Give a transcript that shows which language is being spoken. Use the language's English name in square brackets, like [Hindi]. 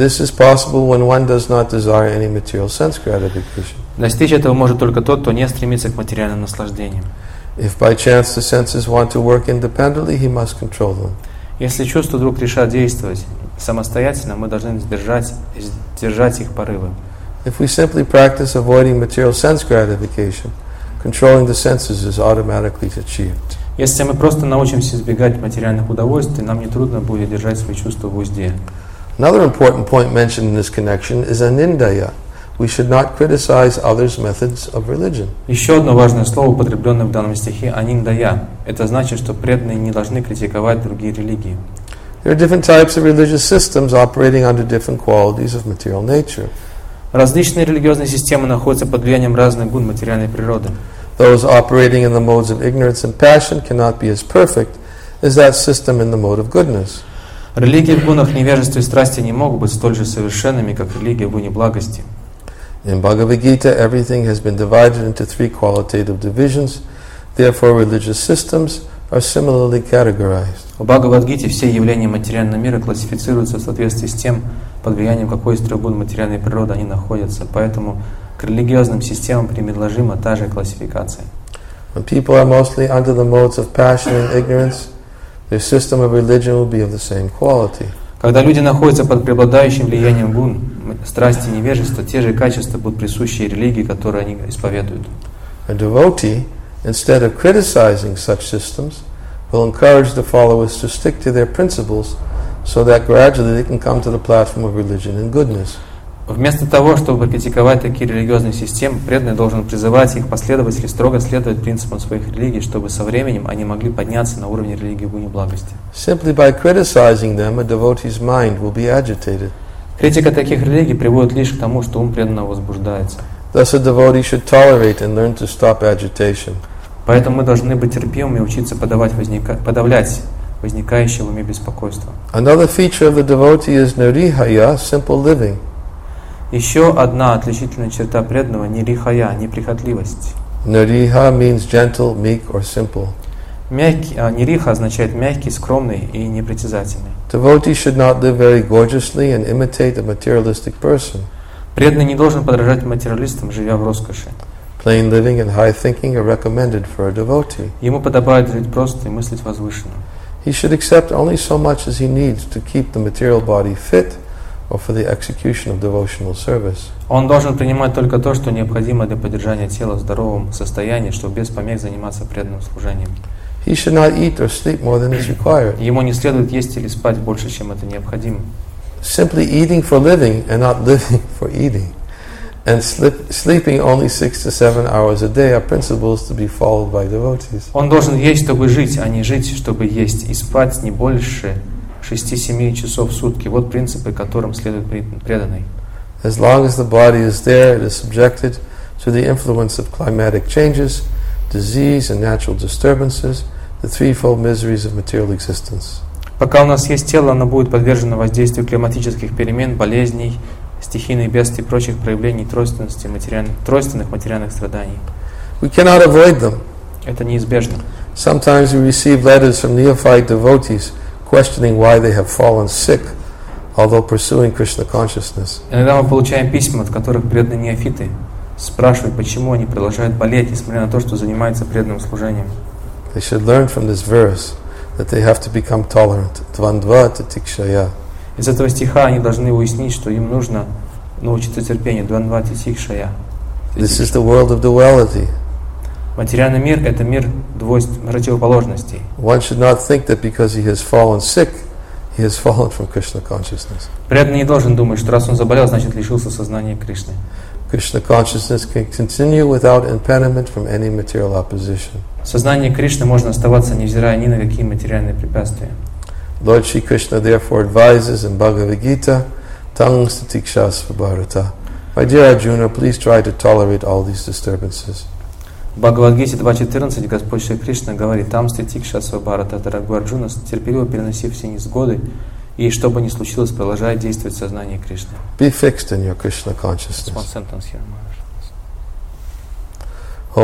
[English] This is possible when one does not desire any material sense gratification. [Russian] Достичь этого может только тот, кто не стремится к материальным наслаждениям. [English] If by chance the senses want to work independently, he must control them. [Russian] Если чувства вдруг решат действовать самостоятельно, мы должны сдержать их порывы. [English] If we simply practice avoiding material sense gratification, controlling the senses is automatically achieved. [Russian] Если мы просто научимся избегать материальных удовольствий, нам не трудно будет держать свои чувства в узде. [English] Another important point mentioned in this connection is anindaya. We should not criticize others' methods of religion. [Russian] Еще одно важное слово, употребленное в данном стихе, анинда-я. Это значит, что преданные не должны критиковать другие религии. [English] There are different types of religious systems operating under different qualities of material nature. [Russian] Различные религиозные системы находятся под влиянием разных гун материальной природы. [English] Those operating in the modes of ignorance and passion cannot be as perfect as that system in the mode of goodness. [Russian] Религии в гунах невежества и страсти не могут быть столь же совершенными, как религия в гуне благости. [English] In Bhagavad-gita, everything has been divided into three qualitative divisions. Therefore, religious systems are similarly categorized. [Russian] В Бхагавад-гите все явления материального мира классифицируются в соответствии с тем, под влиянием какой из трех гун материальной природы они находятся. Поэтому к религиозным системам предложима та же классификация. [English] When people are mostly under the modes of passion and ignorance, their system of religion will be of the same quality. [Russian] Когда люди находятся под преобладающим влиянием гун, страсти и невежества, те же качества будут присущи религии, которую они исповедуют. [English] A devotee, instead of criticizing such systems, will encourage the followers to stick to their principles so that gradually they can come to the platform of religion and goodness. [Russian] Вместо того, чтобы критиковать такие религиозные системы, преданный должен призывать их последователей строго следовать принципам своих религий, чтобы со временем они могли подняться на уровень религии в гуне благости. [English] Simply by criticizing them, a devotee's mind will be agitated. [Russian] Критика таких религий приводит лишь к тому, что ум преданного возбуждается. [English] Thus a devotee should tolerate and learn to stop agitation. [Russian] Поэтому мы должны быть терпимыми и учиться подавлять возникающее в уме беспокойство. [English] Another feature of the devotee is nirihaya, simple living. [Russian] Еще одна отличительная черта преданного – нирихая, неприхотливость. [English] Нириха means gentle, meek or simple. [Russian] Нириха означает мягкий, скромный и непритязательный. [English] Devotee should not live very gorgeously and imitate a materialistic person. [Russian] Преданный не должен подражать материалистам, живя в роскоши. [English] Plain living and high thinking are recommended for a devotee. [Russian] Ему подобает жить просто и мыслить возвышенно. [English] He should accept only so much as he needs to keep the material body fit or for the execution of devotional service. [Russian] Он должен принимать только то, что необходимо для поддержания тела в здоровом состоянии, чтобы без помех заниматься преданным служением. [English] He should not eat or sleep more than is required. [Russian] Ему не следует есть или спать больше, чем это необходимо. [English] Simply eating for living and not living for eating. And sleeping only 6 to 7 hours a day are principles to be followed by devotees. [Russian] Он должен есть, чтобы жить, а не жить, чтобы есть, и спать не больше 6-7 часов в сутки. Вот принципы, которым следует преданный. [English] As long as the body is there, it is subjected to the influence of climatic changes, disease and natural disturbances, the threefold miseries of material existence. [Russian] Пока у нас есть тело, оно будет подвержено воздействию климатических перемен, болезней, стихийных бедствий и прочих проявлений тройственных материальных страданий. [English] We cannot avoid them. [Russian] Это неизбежно. [English] Sometimes we receive letters from neophyte devotees questioning why they have fallen sick, although pursuing Krishna consciousness. [Russian] Иногда мы получаем письма, от которых преданные неофиты спрашивают, почему они продолжают болеть, несмотря на то, что занимаются преданным служением. [English] They should learn from this verse that they have to become tolerant. [Sanskrit] Dvandva titikshaya. [Russian] Из этого стиха они должны уяснить, что им нужно научиться терпению. [Sanskrit] Dvandva titikshaya. [English] This is the world of duality. [Russian] Материальный мир — это мир противоположностей. [English] One should not think that because he has fallen sick, he has fallen from Krishna consciousness. [Russian] Преданный не должен думать, что раз он заболел, значит лишился сознания Кришны. [English] Krishna consciousness can continue without impediment from any material opposition. [Russian] Сознание Кришны можно оставаться, невзирая ни на какие материальные препятствия. [English] Lord Shri Krishna therefore advises in Bhagavad Gita, [Sanskrit] Tang Satiksha Svabharata. [English] My dear Arjuna, please try to tolerate all these disturbances. [Russian] В Бхагавад-гите 2.14 Господь Шри Кришна говорит: [Sanskrit] «Там ститикша свабарата, [Russian] дорогой Арджуна, терпеливо переноси все несгоды, и что бы ни случилось, продолжай действовать в сознании Кришны». [English] Be fixed in your Krishna consciousness. One sentence here, Maharaj.